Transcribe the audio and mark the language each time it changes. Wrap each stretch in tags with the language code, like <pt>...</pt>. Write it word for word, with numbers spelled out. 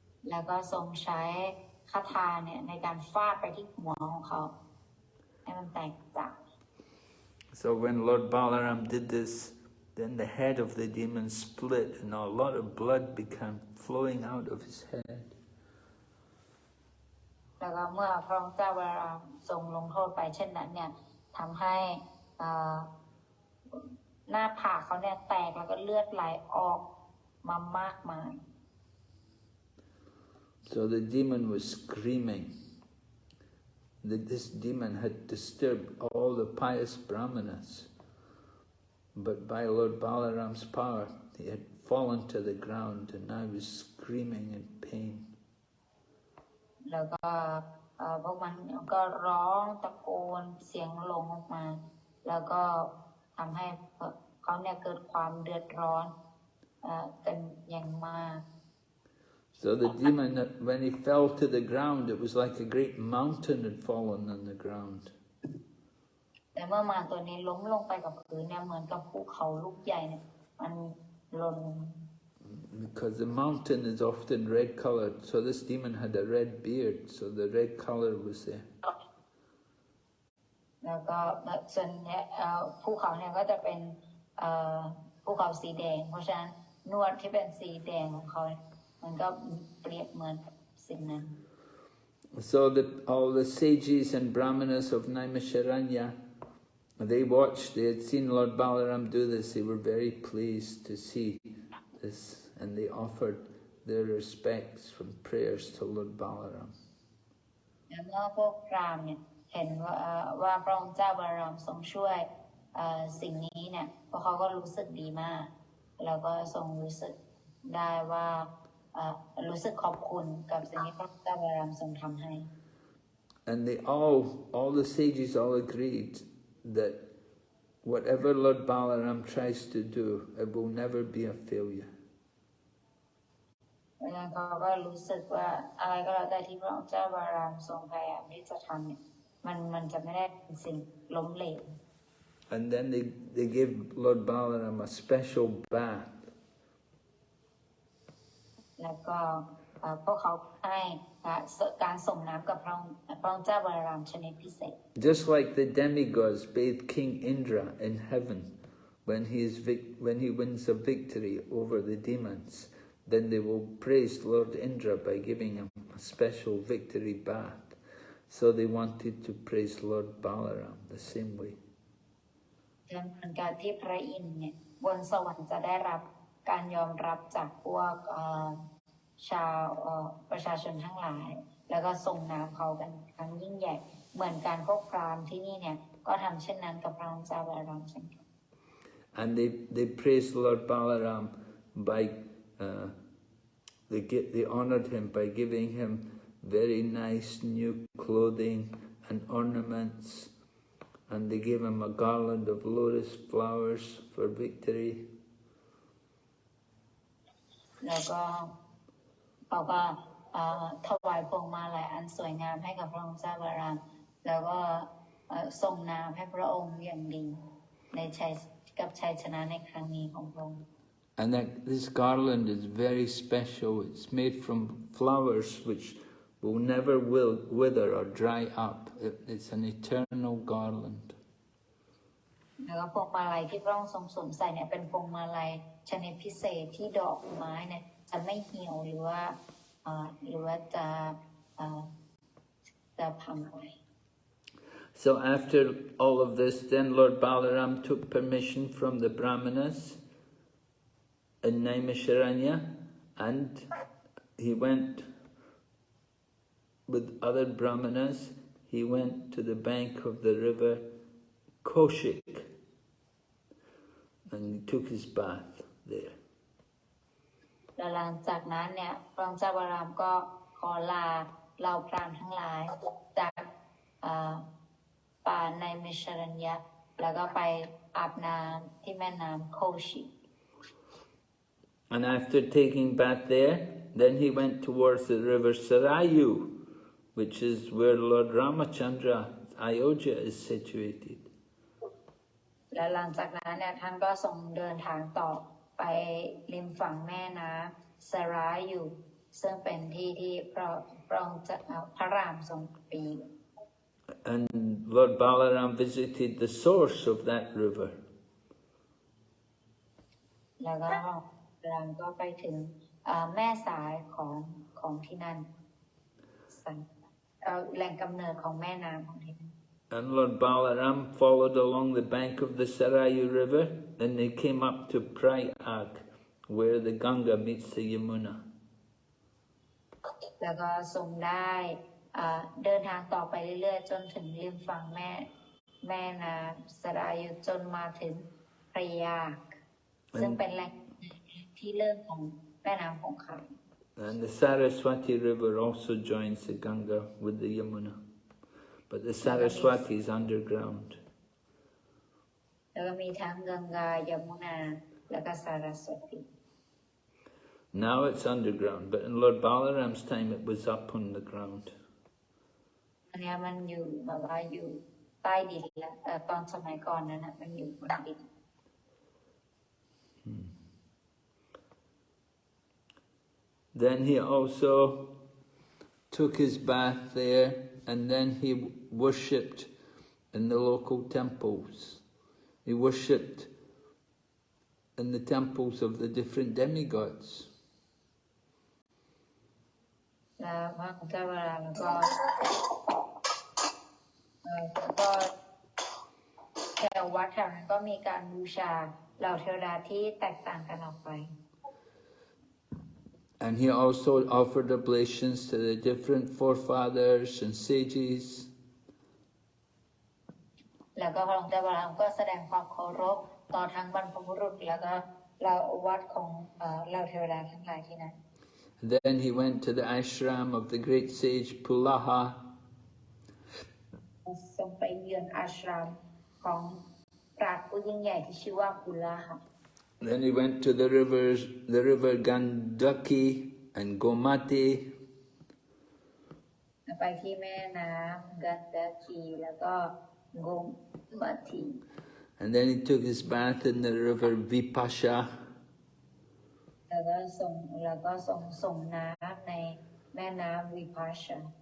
<th>แล้วก็ทรงใช้คาถาเนี่ยในการฟาดไปที่หัวของเขา ให้มันแตกจาก</th> <en>So when Lord Balaram did this, then the head of the demon split and a lot of blood began flowing out of his head.</en> <th>แล้วก็เมื่อพระองค์เจ้าบารามทรงลงโทษไปเช่นนั้นเนี่ยทำให้เอ่อหน้าผากเขาเนี่ยแตกแล้วก็เลือดไหลออกมามากมาย</th> <en>So the demon was screaming. The- This demon had disturbed all the pious brahmanas, but by Lord Balaram's power, he had fallen to the ground and now was screaming in pain.</en> <th>แล้วก็เอ่อพวกมันก็ร้องตะโกนเสียงหลงออกมา แล้วก็ทำให้เขาเนี่ยเกิดความเดือดร้อนเอ่อกันอย่างมาก</th> <en>So the demon, when he fell to the ground, it was like a great mountain had fallen on the ground.</en> <th>แต่เมื่อมารตัวนี้ล้มลงไปกับพื้นเนี่ยเหมือนกับภูเขาลูกใหญ่เนี่ยมันหล่น</th> <en>Because the mountain is often red colored, so this demon had a red beard, so the red color was there.</en> <th>แล้วก็ส่วนเนี่ยเอ่อภูเขาเนี่ยก็จะเป็นเอ่อภูเขาสีแดงเพราะฉะนั้นหนวดที่เป็นสีแดงของเขามันก็เปรียบเหมือนสิ่งนั้น</th> <en>So the, all the sages and brahmanas of Naimisharanya, they watched, they had seen Lord Balaram do this, they were very pleased to see this, and they offered their respects from prayers to Lord Balaram.</en> <th>แล้วเมื่อพวกพราหมณ์เนี่ยเห็นว่าเอ่อว่าพระองค์เจ้าบาลามทรงช่วยเอ่อสิ่งนี้เนี่ยพวกเขาก็รู้สึกดีมากแล้วก็ทรงรู้สึกได้ว่าเอ่อรู้สึกขอบคุณกับสิ่งที่พระองค์เจ้าบาลามทรงทำให้</th> <en>And they all, all the sages all agreed that whatever Lord Balaram tries to do, it will never be a failure.</en> <th>แล้วเขาก็รู้สึกว่าอะไรก็แล้วแต่ที่พระองค์เจ้าบาลามทรงพยายามที่จะทำเนี่ยมันมันจะไม่ได้เป็นสิ่งล้มเหลว</th> <en>And then they they gave Lord Balaram a special bath.</en> <th>แล้วก็เอ่อพวกเขาให้การส่งน้ำกับพระองค์พระองค์เจ้าบาลามชนิดพิเศษ</th> <en>Just like the demigods bathe King Indra in heaven when he is vic- when he wins a victory over the demons, then they will praise Lord Indra by giving him a special victory bath. So they wanted to praise Lord Balaram the same way.</en> <th>เหมือนกับที่พระอินทร์เนี่ยบนสวรรค์จะได้รับการยอมรับจากพวกเอ่อชาวเอ่อประชาชนทั้งหลายแล้วก็ส่งน้ำเขากันครั้งยิ่งใหญ่เหมือนการพวกพราหมณ์ที่นี่เนี่ยก็ทำเช่นนั้นกับพระองค์เจ้าบาลามเช่นกัน</th> <en>And they they praised Lord Balaram by uh, they get, they honored him by giving him very nice new clothing and ornaments, and they gave him a garland of lotus flowers for victory.</en> <th>แล้วก็เขาก็เอ่อถวายพวงมาลัยอันสวยงามให้กับพระองค์เจ้าบาลามแล้วก็เอ่อส่งน้ำให้พระองค์อย่างดีในชัยกับชัยชนะในครั้งนี้ของพระองค์</th> <en>And that this garland is very special. It's made from flowers which will never will wither or dry up. It, it's an eternal garland.</en> <th>แล้วก็พวงมาลัยที่พระองค์ทรงสวมใส่เนี่ยเป็นพวงมาลัยชนิดพิเศษที่ดอกไม้เนี่ยจะไม่เหี่ยวหรือว่าเอ่อหรือว่าจะเอ่อจะพังไป</th> <en>So after all of this, then Lord Balaram took permission from the brahmanas in Naimisharanya, and he went with other brahmanas. He went to the bank of the river Koshik, and he took his bath there.</en> <th>แล้วหลังจากนั้นเนี่ยพระองค์เจ้าบาลามก็ขอลาเหล่าพราหมณ์ทั้งหลายจากเอ่อป่าในเมชรัญญะแล้วก็ไปอาบน้ำที่แม่น้ำโคชิ</th> <en>And after taking bath there, then he went towards the river Sarayu, which is where Lord Ramachandra's Ayodhya is situated.</en> <th>แล้วหลังจากนั้นเนี่ยท่านก็ทรงเดินทางต่อไปริมฝั่งแม่น้ำสรายูซึ่งเป็นที่ที่พระพระองค์จะพระรามทรงปี</th> <en>And Lord Balaram visited the source of that river.</en> <th>แล้วก็พระรามก็ไปถึงเอ่อแม่สายของของที่นั่นสันเอ่อแหล่งกำเนิดของแม่น้ำของที่นั่น</th> <en>And Lord Balaram followed along the bank of the Sarayu River, and they came up to Prayag, where the Ganga meets the Yamuna.</en> <th>แล้วก็ทรงได้เอ่อเดินทางต่อไปเรื่อยๆจนถึงริมฝั่งแม่แม่น้ำสรายุจนมาถึงพระยาซึ่งเป็นแหล่งที่เริ่มของแม่น้ำคงคา</th> <en>And the Saraswati River also joins the Ganga with the Yamuna. But the Saraswati is underground.</en> <th>แล้วก็มีทั้งกังกายมุนาและก็สารสวตี</th> <en>Now it's underground, but in Lord Balaram's time it was up on the ground.</en> <th>อันเนี้ยมันอยู่แบบว่าอยู่ใต้ดินแล้วเอ่อตอนสมัยก่อนนั้นนะมันอยู่บนดิน</th> <en>Then he also took his bath there, and then he worshipped in the local temples. He worshipped in the temples of the different demigods.</en> <th>แล้วพระพุทธเวลาแล้วก็เอ่อก็แถววัดแถวนั้นก็มีการบูชาเหล่าเทวดาที่แตกต่างกันออกไป</th> <en>And he also offered oblations to the different forefathers and sages.</en> <th>แล้วก็พระองค์เจ้าบาลามก็แสดงความเคารพต่อทั้งบรรพบุรุษแล้วก็เหล่าวัดของเอ่อเหล่าเทวดาทั้งหลายที่นั้น</th> <en>Then he went to the ashram of the great sage Pulaha,</en> <th>ทรงไปเยือนอาชรามของปราชญ์ผู้ยิ่งใหญ่ที่ชื่อว่ากุลาหะ</th> <en>then he went to the rivers, the river Gandaki and Gomati,</en> <th>ไปที่แม่น้ำกันดาคีแล้วก็โกมมัที</th> <en>and then he took his bath in the river Vipasha,</en> <th>แล้วก็ส่งแล้วก็ส่งส่งน้ำในแม่น้ำวิภาชะ</th>